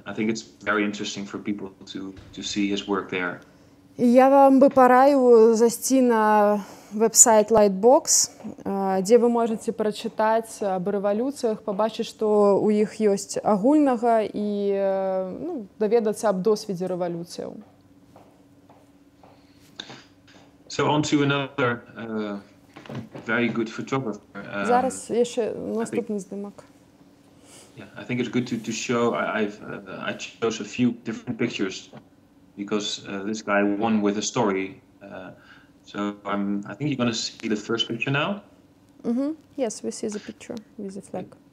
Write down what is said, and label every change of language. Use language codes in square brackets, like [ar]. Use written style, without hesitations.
[en] I think it's very interesting for people to see his work there. [uk] Я вам би пораю зайти на веб-сайт Lightbox, де ви можете прочитати об революціях, побачити, що у них є агульного, і ну, довідатися об досвіді революції. [en] So on to another very good photographer. [uk] Зараз є ще наступний знімок. [en] Yeah, I think it's good to show, I chose a few different pictures. Because this guy won with a story, I think you're going to see the first picture now. Mm-hmm. Yes, we see the picture with the flag.